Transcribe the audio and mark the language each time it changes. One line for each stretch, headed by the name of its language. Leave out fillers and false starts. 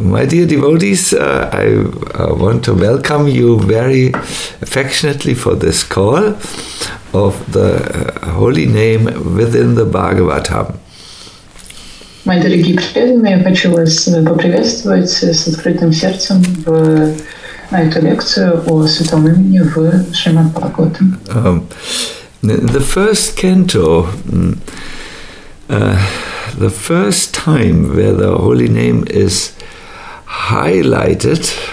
English: My dear devotees, I want to welcome you very affectionately for this call of the holy name within the Bhagavatam.
Russian: Мои дорогие преданные, я хочу вас поприветствовать с открытым сердцем на эту лекцию о святом имени в Шримад Бхагаватам.
English: The first canto, the first time where the holy name is highlighted